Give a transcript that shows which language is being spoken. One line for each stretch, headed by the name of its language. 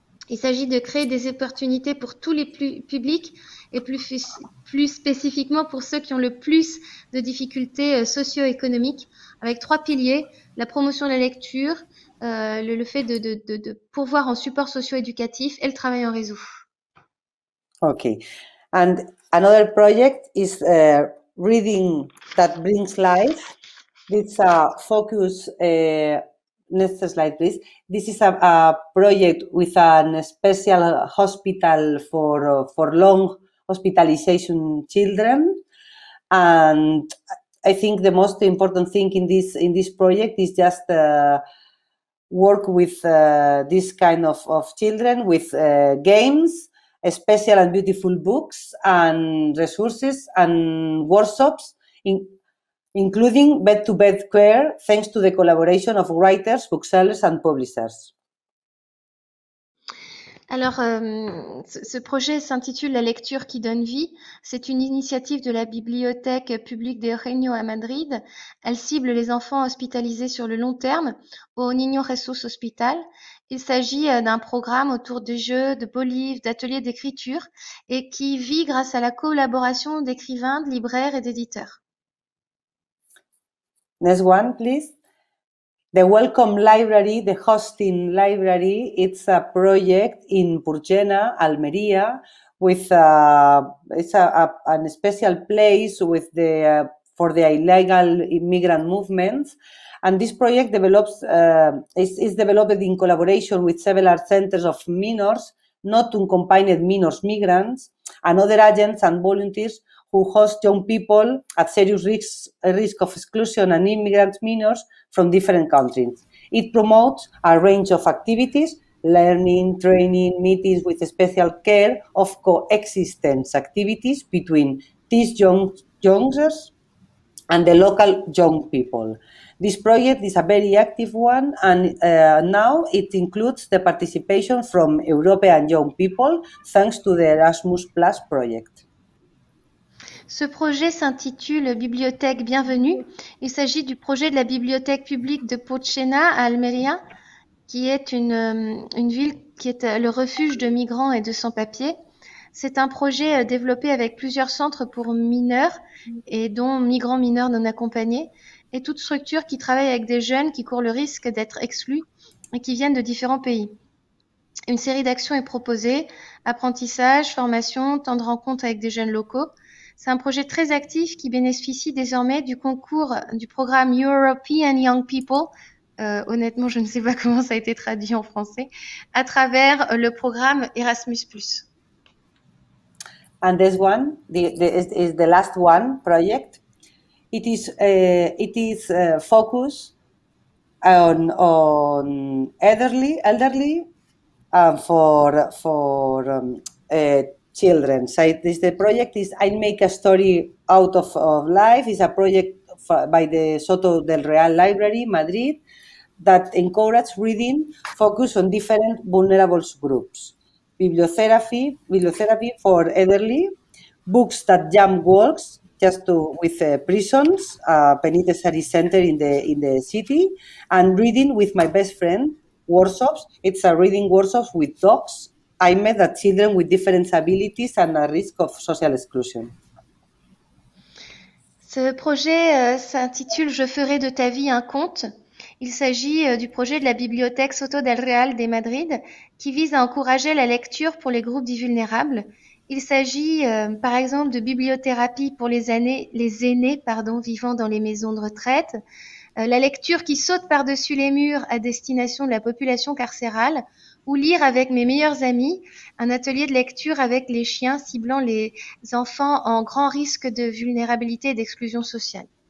French: Il s'agit de créer des opportunités pour tous les publics et plus spécifiquement pour ceux qui ont le plus de difficultés socio-économiques, avec 3 piliers, la promotion de la lecture, le fait de pourvoir en support socio-éducatif et le travail en réseau.
English: Okay. And another project is reading that brings life. It's a focus, next slide please. This is a project with a special hospital for long hospitalization children. And I think the most important thing in this project is just work with this kind of children with games, special and beautiful books and resources and workshops, including bed-to-bed care, thanks to the collaboration of writers, booksellers and publishers.
French: Alors, ce projet s'intitule « La lecture qui donne vie ». C'est une initiative de la Bibliothèque publique de Reino à Madrid. Elle cible les enfants hospitalisés sur le long terme au Niño Jesús Hospital. Il s'agit d'un programme autour de jeux, de beaux livres, d'ateliers d'écriture et qui vit grâce à la collaboration d'écrivains, de libraires et d'éditeurs.
English: Next one, please. The Welcome Library, the Hosting Library, it's a project in Purgena, Almería, with a special place with the for the illegal immigrant movements. And this project develops is developed in collaboration with several centers of minors, not accompanied minors migrants, and other agents and volunteers who host young people at serious risk of exclusion and immigrant minors from different countries. It promotes a range of activities, learning, training, meetings with special care of coexistence activities between these youngsters and the local young people. This project is a very active one, and now it includes the participation from European young people thanks to the Erasmus Plus project.
French: Ce projet s'intitule Bibliothèque Bienvenue. Il s'agit du projet de la bibliothèque publique de Purgena à Almeria, qui est une ville qui est le refuge de migrants et de sans-papiers. C'est un projet développé avec plusieurs centres pour mineurs, et dont migrants mineurs non accompagnés, et toute structure qui travaille avec des jeunes qui courent le risque d'être exclus et qui viennent de différents pays. Une série d'actions est proposée, apprentissage, formation, temps de rencontre avec des jeunes locaux. C'est un projet très actif qui bénéficie désormais du concours du programme European Young People. Honnêtement, je ne sais pas comment ça a été traduit en français, à travers le programme Erasmus+.
English: And this one, is the last one project. It is focused on elderly children. So this the project is I make a story out of life. It's a project by the Soto del Real Library, Madrid, that encourages reading, focus on different vulnerable groups. Bibliotherapy for elderly, books that jump walls, just to with prisons, a penitentiary center in the city, and reading with my best friend, workshops. It's a reading workshops with dogs. I met the children with different abilities and a risk of social exclusion.
French: Ce projet s'intitule Je ferai de ta vie un conte. Il s'agit du projet de la bibliothèque Soto del Real de Madrid qui vise à encourager la lecture pour les groupes dits vulnérables. Il s'agit par exemple de bibliothérapie pour les aînés, vivant dans les maisons de retraite, la lecture qui saute par-dessus les murs à destination de la population carcérale, ou lire avec mes meilleurs amis, un atelier de lecture avec les chiens ciblant les enfants en grand risque de vulnérabilité et d'exclusion sociale.